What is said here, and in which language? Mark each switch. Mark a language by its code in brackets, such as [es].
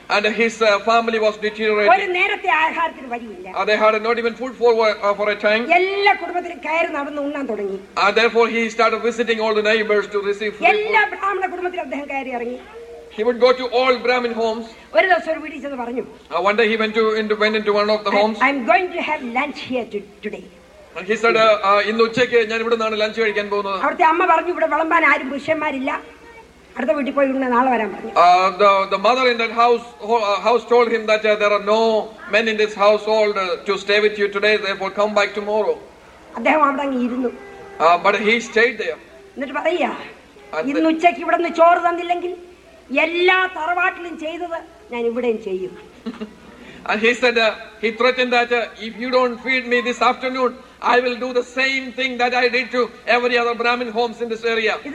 [en] And his family was deteriorating. [ml] ഒരു നേരത്തെ ആഹാരത്തിന് വഴിയില്ല. [en] They had not even food for a time. [ml] എല്ലാ കുടുംബത്തിലും കയറി നടന്ന് ഉണ്ണാൻ തുടങ്ങി. [en] Therefore he started visiting all the neighbors to receive food. [ml] എല്ലാ ബ്രാഹ്മണ കുടുംബത്തിലും അദ്ദേഹം കയറി ഇറങ്ങി. [en] He would go to all Brahmin homes. [ml] ഒരു ദിവസം ഒരു വീട്ടിൽ ചെന്ന് പറഞ്ഞു. [en] One day he went into one of the homes. I'm going to have lunch here today. He said, [ml] ഇന്ന് ഉച്ചയ്ക്ക് ഞാൻ ഇവിടെ നിന്നാണ് ലഞ്ച് കഴിക്കാൻ പോകുന്നത്. അവിടുത്തെ അമ്മ പറഞ്ഞു ഇവിടെ വിളമ്പാൻ ആരും പുരുഷന്മാരില്ല, അടുത്ത വീട്ടിൽ പോയി ഇവിടെ നാളെ വരാൻ പറഞ്ഞു. [en] The mother in that house told him that there are no men in this household to stay with you today, therefore come back tomorrow. [ml] അദ്ദേഹം അവിടെ ഇരുന്നു. [en] But he stayed there. [ml] എന്നിട്ട് പറയാ, ഇന്ന് ഉച്ചയ്ക്ക് ഇവിടെ നിന്ന് ചോറ് തന്നില്ലെങ്കിൽ എല്ലാ തറവാട്ടിലും ചെയ്തത് ഞാൻ ഇവിടെയും ചെയ്യും. [en] And he said, he threatened that if you don't feed me this afternoon, I will do the same thing that I did to every other Brahmin homes in this area.